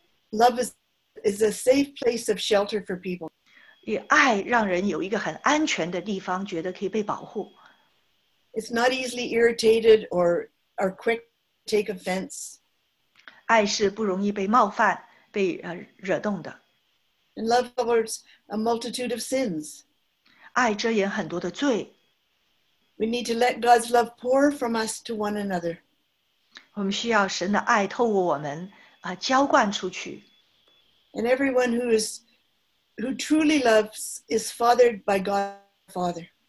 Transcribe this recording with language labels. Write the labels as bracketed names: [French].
[English] Love is a safe place of shelter for people. [Chinese] 也爱让人有一个很安全的地方，觉得可以被保护。 [English] It's not easily irritated or quick to take offense. [Chinese] 爱是不容易被冒犯，被惹动的。 [English] And love covers a multitude of sins. [Chinese] 爱遮掩很多的罪。 [English] We need to let God's love pour from us to one another. [Chinese] 我们需要神的爱透过我们，浇灌出去。 [English] And everyone who truly loves is fathered by God the Father.